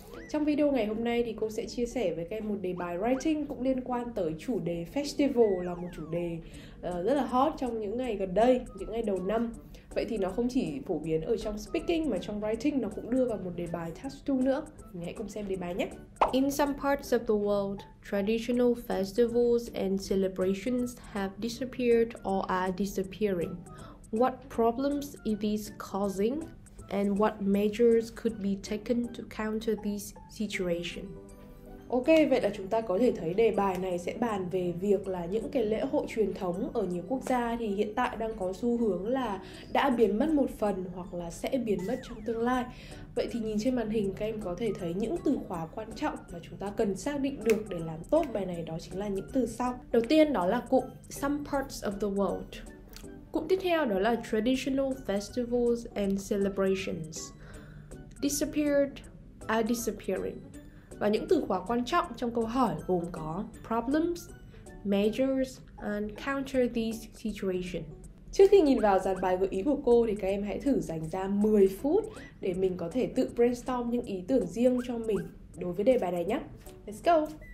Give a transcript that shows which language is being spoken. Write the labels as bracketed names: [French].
[Vietnamese] Trong video ngày hôm nay thì cô sẽ chia sẻ với các em một đề bài writing cũng liên quan tới chủ đề festival, là một chủ đề rất là hot trong những ngày gần đây, những ngày đầu năm. Vậy thì nó không chỉ phổ biến ở trong speaking mà trong writing nó cũng đưa vào một đề bài task 2 nữa. Mình hãy cùng xem đề bài nhé. [English] In some parts of the world, traditional festivals and celebrations have disappeared or are disappearing. What problems is this causing and what measures could be taken to counter this situation? [Vietnamese] Ok, vậy là chúng ta có thể thấy đề bài này sẽ bàn về việc là những cái lễ hội truyền thống ở nhiều quốc gia thì hiện tại đang có xu hướng là đã biến mất một phần hoặc là sẽ biến mất trong tương lai. Vậy thì nhìn trên màn hình các em có thể thấy những từ khóa quan trọng mà chúng ta cần xác định được để làm tốt bài này, đó chính là những từ sau. Đầu tiên đó là cụm [English] some parts of the world. [Vietnamese] Cụm tiếp theo đó là [English] traditional festivals and celebrations. Disappeared, are disappearing. [Vietnamese] Và những từ khóa quan trọng trong câu hỏi gồm có problems, measures, and [English] counter these situation. [Vietnamese] Trước khi nhìn vào dàn bài gợi ý của cô thì các em hãy thử dành ra 10 phút để mình có thể tự brainstorm những ý tưởng riêng cho mình đối với đề bài này nhé. [English] Let's go!